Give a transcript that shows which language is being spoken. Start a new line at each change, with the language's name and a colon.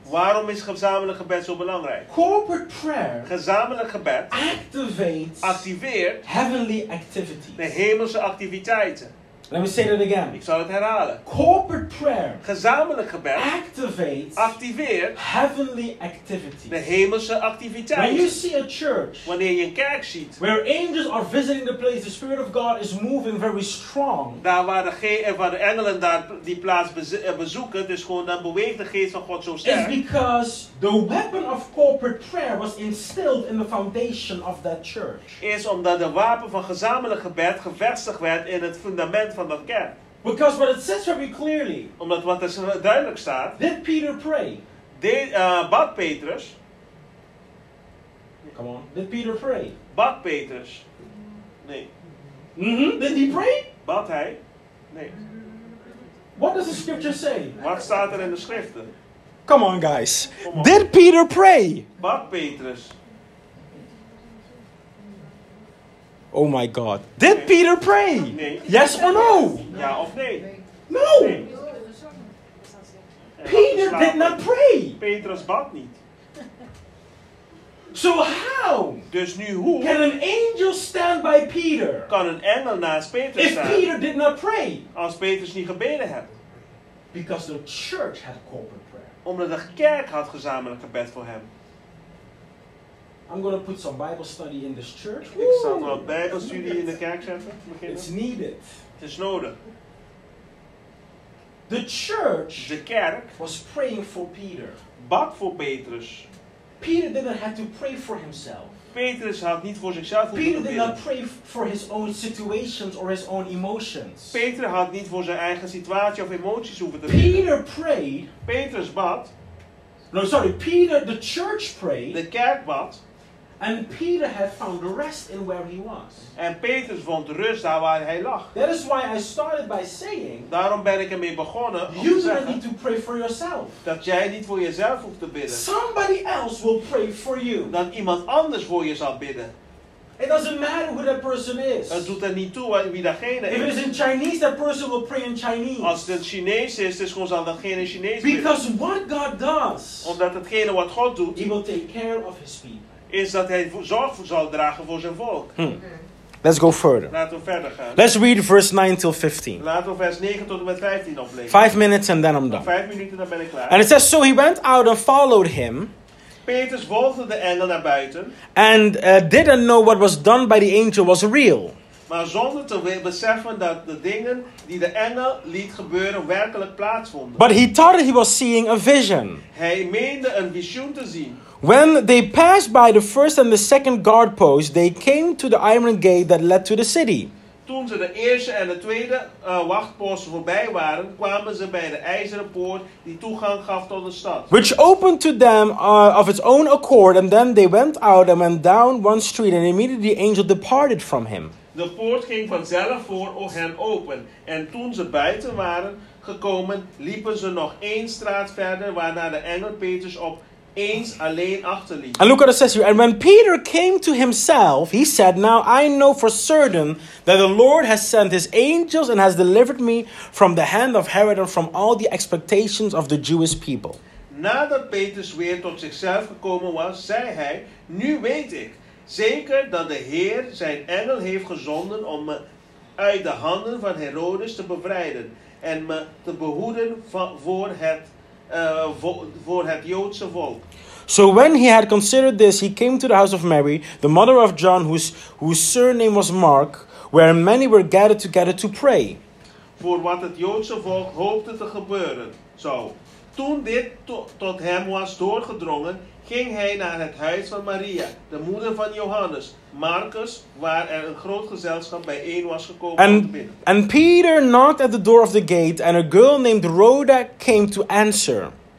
Dutch: Waarom is gezamenlijk gebed zo belangrijk?
English: Corporate prayer.
Dutch: Gezamenlijk gebed. Activeert.
English: Heavenly activities.
Dutch: De hemelse activiteiten.
English: Let me say that again.
Dutch: Ik zal het herhalen.
English: Corporate prayer.
Dutch: Gezamenlijk gebed. Activeert.
English: Heavenly activities.
Dutch: De hemelse activiteiten.
English: When you see a church.
Dutch: Wanneer je een kerk ziet.
English: Where angels are visiting the place, the Spirit of God is moving very strong.
Dutch: Daar waar de engelen daar die plaats bezoeken, dus gewoon dan beweegt de geest van God zo sterk.
English: It's because the weapon of corporate prayer was instilled in the foundation of that church.
Dutch: Is omdat de wapen van gezamenlijk gebed gevestigd werd in het fundament van dat kerk.
English: Because what it says very clearly.
Dutch: Omdat wat er duidelijk staat.
English: Did Peter pray?
Dutch: Bad Petrus.
English: Come on. Did Peter pray?
Dutch: Bad Petrus. Nee.
English: Mm-hmm. Did he pray?
Dutch: Bad hij? Nee.
English: What does the scripture say?
Dutch: Wat staat er in de schriften?
English: Come on guys. Did Peter pray?
Dutch: Bad Petrus.
English: Oh my God. Did Peter pray?
Dutch: Nee.
English: Yes or no?
Dutch: Ja of nee?
English: No. Peter did not pray.
Dutch: Petrus bad niet.
English: So how?
Dutch: Dus nu hoe?
English: Can an angel stand by Peter?
Dutch: Kan een engel naast Petrus
English: if
Dutch: staan?
English: If Peter did not pray.
Dutch: Als Petrus niet gebeden had.
English: Because the church had corporate prayer.
Dutch: Omdat de kerk had gezamenlijk gebed voor hem.
English: I'm going to put some Bible study in this church.
Dutch: Ik zal wat Bijbelstudie in de kerk zetten.
English: It's needed.
Dutch: Het is nodig.
English: The church.
Dutch: De kerk.
English: Was praying for Peter.
Dutch: Bad voor Petrus.
English: Peter didn't have to pray for himself.
Dutch: Petrus had niet voor zichzelf moeten bidden.
English: Peter did not pray for his own situations or his own emotions.
Dutch: Peter had niet voor zijn eigen situatie of emoties hoeven te bidden.
English: Peter prayed.
Dutch: Petrus bad.
English: No, sorry. Peter, the church prayed.
Dutch: De kerk bad.
English: And Peter had found rest in where he was.
Dutch: En Petrus vond rust daar waar hij lag.
English: That is why I started by saying.
Dutch: Daarom ben ik ermee begonnen.
English: You do not need to pray for yourself.
Dutch: Dat jij niet voor jezelf hoeft te bidden.
English: Somebody else will pray for you.
Dutch: Dat iemand anders voor je zal bidden.
English: It doesn't matter who that person is.
Dutch: Het doet er niet toe wie datgene is.
English: If it is in Chinese, that person will pray in Chinese.
Dutch: Als het Chinees is, dus gewoon zal datgene in Chinees bidden.
English: Because what God does.
Dutch: Omdat hetgene wat God doet.
English: He will take care of his people.
Dutch: Is dat hij zorg zal dragen voor zijn volk.
English: Hmm. Let's go further.
Dutch: Laten we verder gaan.
English: Let's read verse 9 till 15.
Dutch: Laten we vers 9 tot en met 15 oplezen.
English: 5 minutes and then I'm done.
Dutch: 5 minuten dan ben ik klaar.
English: And it says, so he went out and followed him.
Dutch: Petrus volgde de engel naar buiten.
English: And didn't know what was done by the angel was real.
Dutch: Maar zonder te beseffen dat de dingen die de engel liet gebeuren werkelijk plaatsvonden.
English: But he thought he was seeing a vision.
Dutch: Hij meende een visioen te zien.
English: When they passed by the first and the second guard post, they came to the iron gate that led to the city.
Dutch: Toen ze de eerste en de tweede wachtpost voorbij waren, kwamen ze bij de ijzeren poort die toegang gaf tot de stad.
English: Which opened to them of its own accord, and then they went out and went down one street, and immediately the angel departed from him.
Dutch: De poort ging vanzelf voor hen open, en toen ze buiten waren gekomen, liepen ze nog één straat verder, waarna de engel Petrus op eens alleen achterliep.
English: And look what it says here. And when Peter came to himself, he said, now I know for certain that the Lord has sent his angels and has delivered me from the hand of Herod and from all the expectations of the Jewish people.
Dutch: Nadat Petrus weer tot zichzelf gekomen was, zei hij, nu weet ik zeker dat de Heer zijn engel heeft gezonden om me uit de handen van Herodes te bevrijden en me te behoeden voor het voor het Joodse volk.
English: So when he had considered this, he came to the house of Mary, the mother of John, whose surname was Mark, where many were gathered together to pray.
Dutch: Voor wat het Joodse volk hoopte te gebeuren. Zo, toen dit tot hem was doorgedrongen, ging hij naar het huis van Maria, de moeder van Johannes, Marcus, waar er een groot gezelschap bijeen was gekomen.
English: And Peter knocked at the door of the gate, and a girl named Rhoda came to answer.